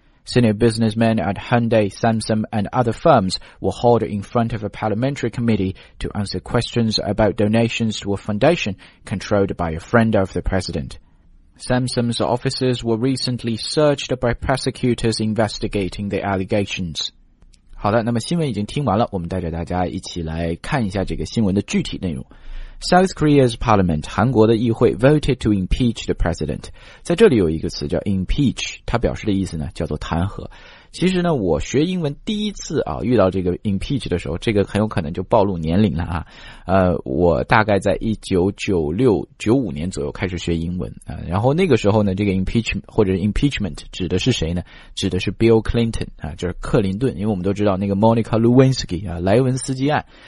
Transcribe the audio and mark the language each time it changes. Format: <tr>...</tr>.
<en>Senior businessmen at Hyundai, Samsung and other firms were hauled in front of a parliamentary committee to answer questions about donations to a foundation controlled by a friend of the president. Samsung's offices were recently searched by prosecutors investigating the allegations.</en> <zh>好的，那么新闻已经听完了，我们带着大家一起来看一下这个新闻的具体内容。</zh> <en>South Korea's parliament,</en> <zh>韩国的议会</zh> <en>voted to impeach the president.</en> <zh>在这里有一个词叫 impeach, 它表示的意思呢叫做弹劾。其实呢我学英文第一次啊遇到这个 impeach 的时候，这个很有可能就暴露年龄了啊。我大概在1996-95年左右开始学英文啊，然后那个时候呢这个 impeachment 或者 impeachment 指的是谁呢，指的是 Bill Clinton, 啊就是克林顿，因为我们都知道那个 Monica Lewinsky, 啊莱文斯基案。</zh>